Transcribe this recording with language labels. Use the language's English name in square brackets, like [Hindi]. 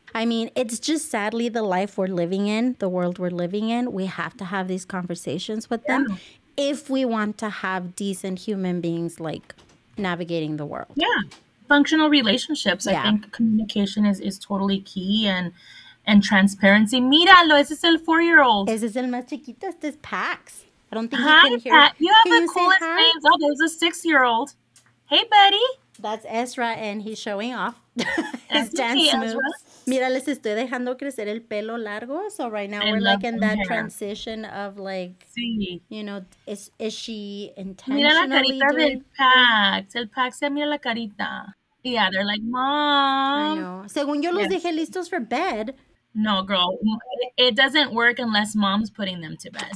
[English] I mean, it's just sadly the life we're living in, the world we're living in. We have to have these conversations with them if we want to have decent human beings like navigating the world. Yeah. Functional relationships. Yeah. I think communication is totally key and transparency. [Spanish] Míralo, ese es el [English] 4-year-old. [Spanish] Ese es el más chiquito, este es Pax. [English] I don't think he can hear. Pat. You have can the you coolest name. Oh, there's a 6-year-old. Hey, buddy. That's Ezra, and he's showing off his dance moves. [Spanish] Mira, les estoy dejando crecer el pelo largo. [English] So right now we're like in that transition of like, you know, is she intentionally? [Spanish] Mira la carita del Pax. El Pax se mira la carita. [English] Yeah, they're like, mom. [Spanish] I know. Según yo los dije listos [English] for bed. No, girl. It doesn't work unless mom's putting them to bed.